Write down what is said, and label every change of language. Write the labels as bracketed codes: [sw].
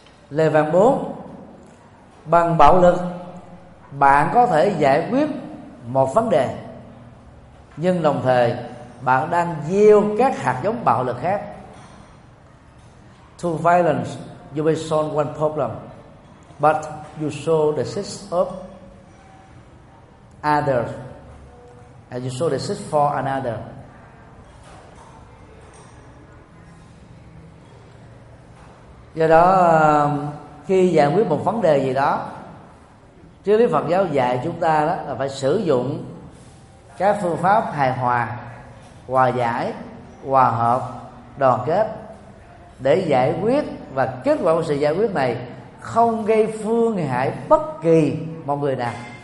[vi] Lời vàng 4: bằng bạo lực bạn có thể giải quyết một vấn đề, nhưng đồng thời bạn đang gieo các hạt giống bạo lực khác. [en] To violence you may solve one problem, but you sow the seeds of another, and you sow the seeds for another. [vi] Do đó khi giải quyết một vấn đề gì đó, triết lý Phật giáo dạy chúng ta đó là phải sử dụng các phương pháp hài hòa, hòa giải, hòa hợp, đoàn kết để giải quyết, và kết quả của sự giải quyết này không gây phương hại bất kỳ một người nào.